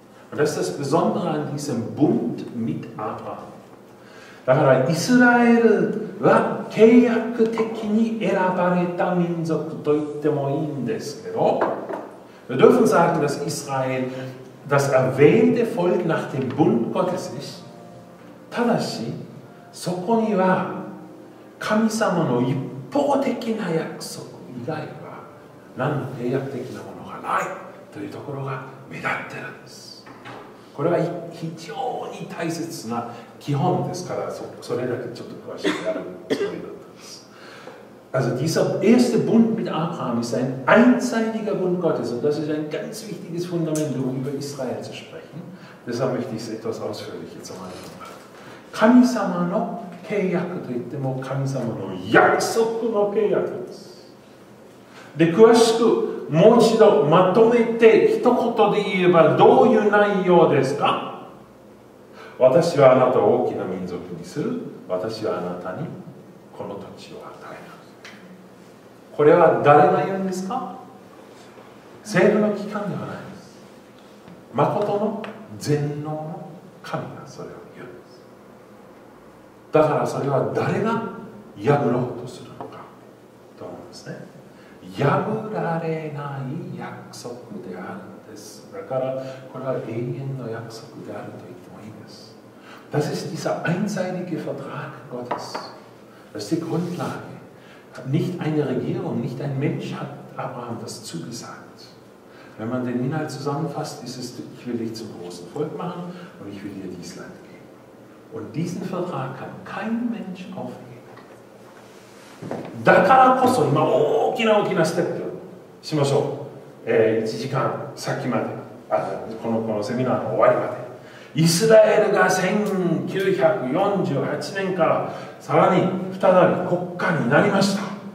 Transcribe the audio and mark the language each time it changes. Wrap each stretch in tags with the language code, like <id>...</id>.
<de>Und das ist das Besondere an diesem Bund mit Abraham.</de> <ja>だからイスラエルは契約的に選ばれた民族と言ってもいいんですけど、</ja> <de>wir dürfen sagen, dass Israel das erwählte Volk nach dem Bund Gottes ist.</de> <ja>ただし、そこには神様の一方的な約束以外は何の契約的なものがないというところが目立ってるんです。これは非常に大切な基本ですから、それだけちょっと詳しくやるつもりだったんです。</ja> <de>Also dieser erste Bund mit Abraham ist ein einseitiger Bund Gottes und das ist ein ganz wichtiges Fundament, um über Israel zu sprechen. Deshalb möchte ich es etwas ausführlicher zu machen.</de> <ja>神様の契約といっても神様の約束の契約です。で、詳しくもう一度まとめて一言で言えばどういう内容ですか？私はあなたを大きな民族にする。私はあなたにこの土地を与える。これは誰が言うんですか？聖霊の機関ではないです。まことの全能の神がそれを言うんです。だからそれは誰が破ろうとするのかと思うんですね。破られない約束であるんです。だからこれは永遠の約束であると言ってもいいんです。</ja> <de>Das ist dieser einseitige Vertrag Gottes. Das ist die Grundlage. Nicht eine Regierung, nicht ein Mensch hat Abraham das zugesagt. Wenn man den Inhalt zusammenfasst, ist es, ich will dich zum großen Volk machen und ich will dir dieses Land geben. Und diesen Vertrag kann kein Mensch aufgeben.</de> <ja>だからこそ今大きな大きなステップしましょう。 1時間先まで、あ、このセミナーの終わりまで。イスラエルが1948年からさらに再び国家になりました。</ja>